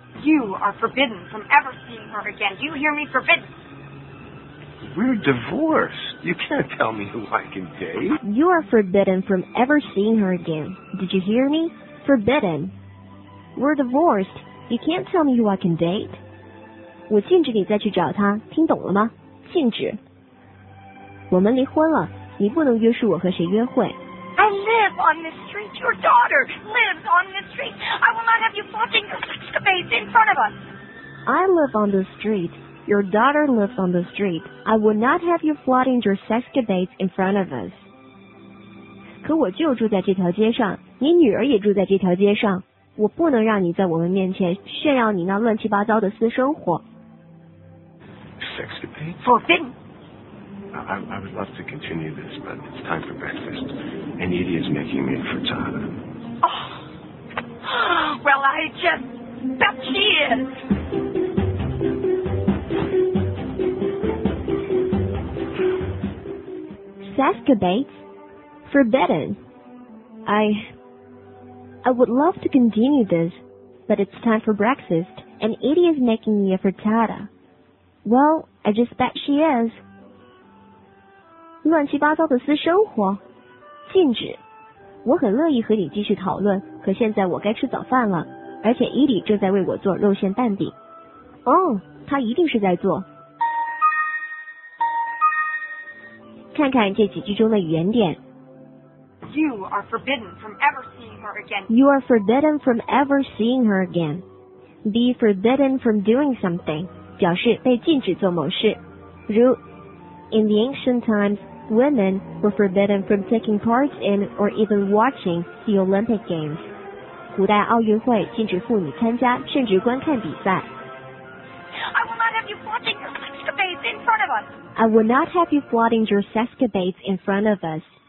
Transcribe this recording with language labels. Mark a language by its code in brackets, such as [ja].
[en] You are forbidden from ever seeing her again. Do you hear me? Forbidden. We're divorced. You can't tell me who I can date. You are forbidden from ever seeing her again. Did you hear me? Forbidden. We're divorced. You can't tell me who I can date. [zh] 我禁止你再去找她，听懂了吗？禁止。我们离婚了，你不能约束我和谁约会。 [en] I live on this street. Your daughter lives on this street. I will not have you flaunting your sex capades in front of us. I live on this street. Your daughter lives on the street. I would not have you flaunting your sexcapades in front of us. [zh] 可我就住在这条街上，你女儿也住在这条街上，我不能让你在我们面前炫耀你那乱七八糟的私生活。 [en] Sexcapades? Forbidden. I would love to continue this, but it's time for breakfast. And Edie is making me a frittata. Oh, well, I just bet she is. Sexcapades? Forbidden. I would love to continue this, but it's time for breakfast, and Edie is making me a frittata. Well, I just bet she is. [zh] 乱七八糟的私生活，禁止。我很乐意和你继续讨论，可现在我该吃早饭了，而且 Edie 正在为我做肉馅蛋饼。哦，她一定是在做。看看这几句中的语言点。 [en] You are forbidden from ever seeing her again. You are forbidden from ever seeing her again. Be forbidden from doing something [zh] 表示被禁止做某事。 [en] 如 In the ancient times, women were forbidden from taking part in or even watching the Olympic Games. [zh] 古代奥运会禁止妇女参加甚至观看比赛。 [en] I will not have you flaunting your sexcapades in front of us. I would not have you flaunting your sexcapades in front of us.